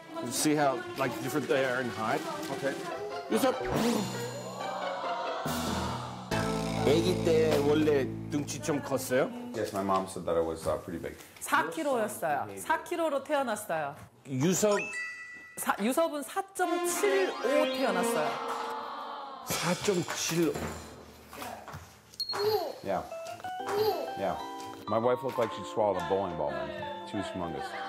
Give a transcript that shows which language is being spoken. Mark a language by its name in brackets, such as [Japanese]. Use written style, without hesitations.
[English] You see how like different they are in height? Okay. [Korean] 여섯! 아기 때 원래 등치 좀 컸어요? [English] Yes, my mom said that I was pretty big. [Korean] 4kg였어요. 4kg로 태어났어요. 유섭? 유섭은 4.75 태어났어요. 4.75? [English] Yeah. Yeah. My wife looked like she swallowed a bowling ball, man. She was humongous.